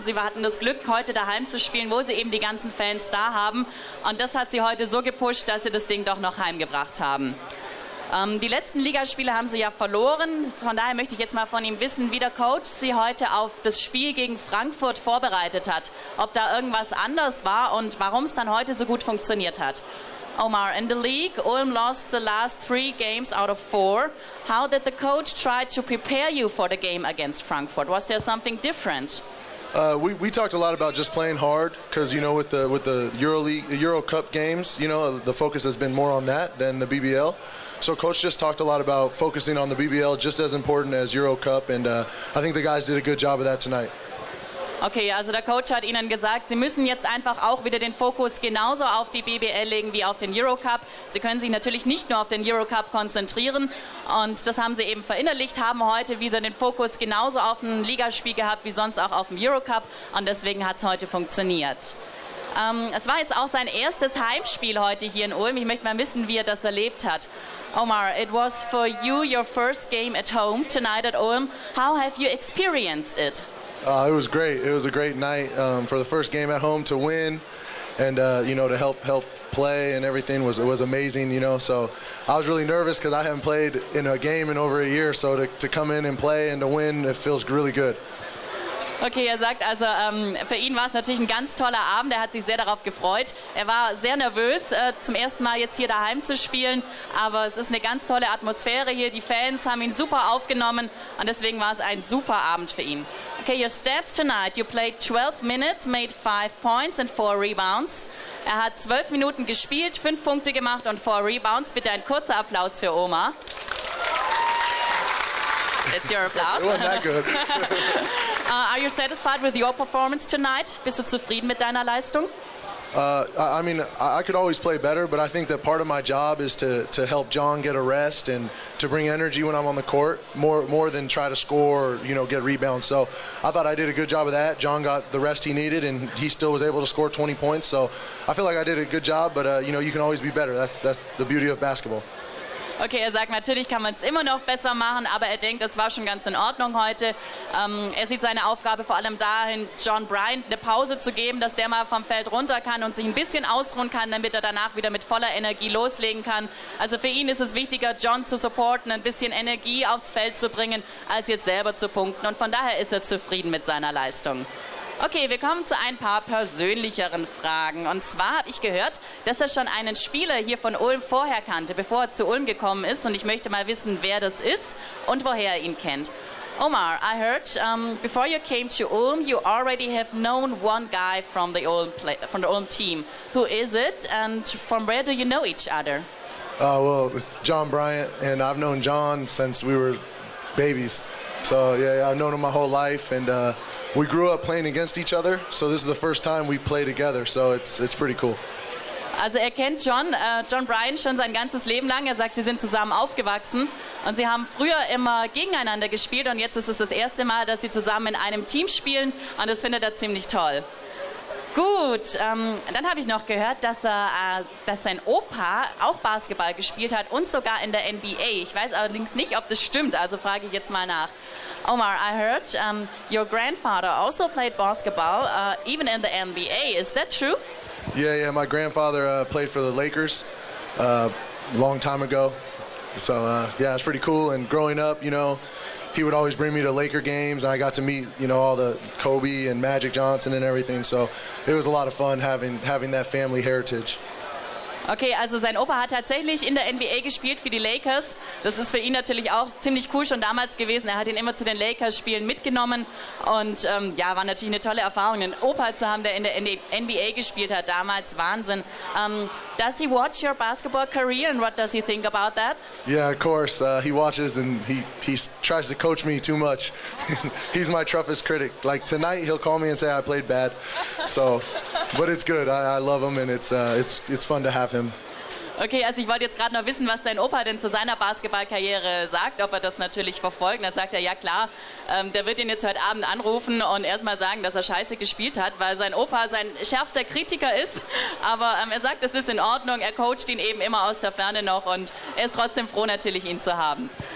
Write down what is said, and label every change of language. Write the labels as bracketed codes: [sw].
[de] Sie hatten das Glück, heute daheim zu spielen, wo Sie eben die ganzen Fans da haben und das hat Sie heute so gepusht, dass Sie das Ding doch noch heimgebracht haben. Die letzten Ligaspiele haben Sie ja verloren, von daher möchte ich jetzt mal von ihm wissen, wie der Coach Sie heute auf das Spiel gegen Frankfurt vorbereitet hat, ob da irgendwas anders war und warum es dann heute so gut funktioniert hat. [en] Omar, in the league, Ulm lost the last 3 games out of 4. How did the coach try to prepare you for the game against Frankfurt? Was there something different? We talked a lot about just playing hard because, you know, with the Euro Cup games, you know, the focus has been more on that than the BBL. So coach just talked a lot about focusing on the BBL just as important as Euro Cup. And I think the guys did a good job of that tonight. [de] Okay, also der Coach hat Ihnen gesagt, Sie müssen jetzt einfach auch wieder den Fokus genauso auf die BBL legen wie auf den Eurocup. Sie können sich natürlich nicht nur auf den Eurocup konzentrieren und das haben Sie eben verinnerlicht, haben heute wieder den Fokus genauso auf ein Ligaspiel gehabt wie sonst auch auf dem Eurocup und deswegen hat es heute funktioniert. Es war jetzt auch sein erstes Heimspiel heute hier in Ulm. Ich möchte mal wissen, wie er das erlebt hat. [en] Omar, it was for you your first game at home tonight at Ulm. How have you experienced it? It was great. It was a great night for the first game at home to win and, you know, to help play and everything was amazing, you know. So I was really nervous because I haven't played in a game in over a year. So to come in and play and to win, it feels really good. [de] Okay, er sagt also, für ihn war es natürlich ein ganz toller Abend. Er hat sich sehr darauf gefreut. Er war sehr nervös, zum ersten Mal jetzt hier daheim zu spielen. Aber es ist eine ganz tolle Atmosphäre hier. Die Fans haben ihn super aufgenommen und deswegen war es ein super Abend für ihn. [en] Okay, your stats tonight. You played 12 minutes, made 5 points and 4 rebounds. [de] Er hat 12 Minuten gespielt, 5 Punkte gemacht und 4 rebounds. Bitte ein kurzer Applaus für Oma. [en] It's your applause. It wasn't that good. Are you satisfied with your performance tonight? [de] Bist du zufrieden mit deiner Leistung? [en] I could always play better, but I think that part of my job is to help John get a rest and to bring energy when I'm on the court more than try to score, you know, get rebounds. So I thought I did a good job of that. John got the rest he needed and he still was able to score 20 points. So I feel like I did a good job, but you know, you can always be better. That's the beauty of basketball. [de] Okay, er sagt, natürlich kann man es immer noch besser machen, aber er denkt, es war schon ganz in Ordnung heute. Er sieht seine Aufgabe vor allem dahin, John Bryant eine Pause zu geben, dass der mal vom Feld runter kann und sich ein bisschen ausruhen kann, damit er danach wieder mit voller Energie loslegen kann. Also für ihn ist es wichtiger, John zu supporten, ein bisschen Energie aufs Feld zu bringen, als jetzt selber zu punkten. Und von daher ist er zufrieden mit seiner Leistung. Okay, wir kommen zu ein paar persönlicheren Fragen. Und zwar habe ich gehört, dass er schon einen Spieler hier von Ulm vorher kannte, bevor er zu Ulm gekommen ist. Und ich möchte mal wissen, wer das ist und woher er ihn kennt. [en] Omar, I heard, before you came to Ulm, you already have known one guy from the Ulm, from the Ulm team. Who is it and from where do you know each other? Well, it's John Bryant and I've known John since we were babies. So yeah, I've known him my whole life and we grew up playing against each other, so this is the first time we play together, so it's pretty cool. [de] Also er kennt John Bryant schon sein ganzes Leben lang. Er sagt, sie sind zusammen aufgewachsen und sie haben früher immer gegeneinander gespielt und jetzt ist es das erste Mal, dass sie zusammen in einem Team spielen und das findet er ziemlich toll. Gut, dann habe ich noch gehört, dass sein Opa auch Basketball gespielt hat und sogar in der NBA. Ich weiß allerdings nicht, ob das stimmt, also frage ich jetzt mal nach. [en] Omar, I heard your grandfather also played basketball, even in the NBA. Is that true? Yeah, my grandfather played for the Lakers a long time ago. So, yeah, it's pretty cool. And growing up, you know, he would always bring me to Laker games. And I got to meet, you know, all the Kobe and Magic Johnson and everything. So it was a lot of fun having that family heritage. [de] Okay, also sein Opa hat tatsächlich in der NBA gespielt für die Lakers. Das ist für ihn natürlich auch ziemlich cool schon damals gewesen. Er hat ihn immer zu den Lakers-Spielen mitgenommen. Und ja, war natürlich eine tolle Erfahrung, einen Opa zu haben, der in der NBA gespielt hat. Damals Wahnsinn. [en] Does he watch your basketball career and what does he think about that? Yeah, of course. He watches and he tries to coach me too much. He's my toughest critic. Like tonight he'll call me and say I played bad. So, but it's good. I love him and it's fun to have him. [de] Okay, also ich wollte jetzt gerade noch wissen, was dein Opa denn zu seiner Basketballkarriere sagt, ob er das natürlich verfolgt. Da sagt er, ja klar, der wird ihn jetzt heute Abend anrufen und erstmal sagen, dass er scheiße gespielt hat, weil sein Opa sein schärfster Kritiker ist. Aber er sagt, es ist in Ordnung, er coacht ihn eben immer aus der Ferne noch und er ist trotzdem froh, natürlich ihn zu haben.